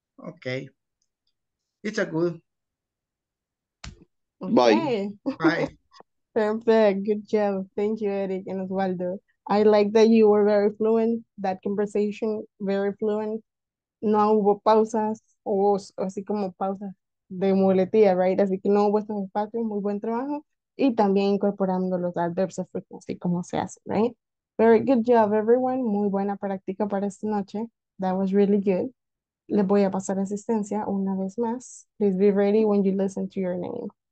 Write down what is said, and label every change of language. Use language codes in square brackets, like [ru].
[en] Okay. It's a good. Bye. Bye. Perfect. Good job. Thank you, Eric and Oswaldo. I like that you were very fluent, that conversation, very fluent. [es] no hubo pausas o así como pausas de muletilla, right? Así que no hubo estos espacios, muy buen trabajo. Y también incorporando los adverbs of frequency, como se hace, right? [en] Very good job, everyone. [es] Muy buena práctica para esta noche. [en] That was really good. [es] Les voy a pasar asistencia una vez más. [en] Please be ready when you listen to your name.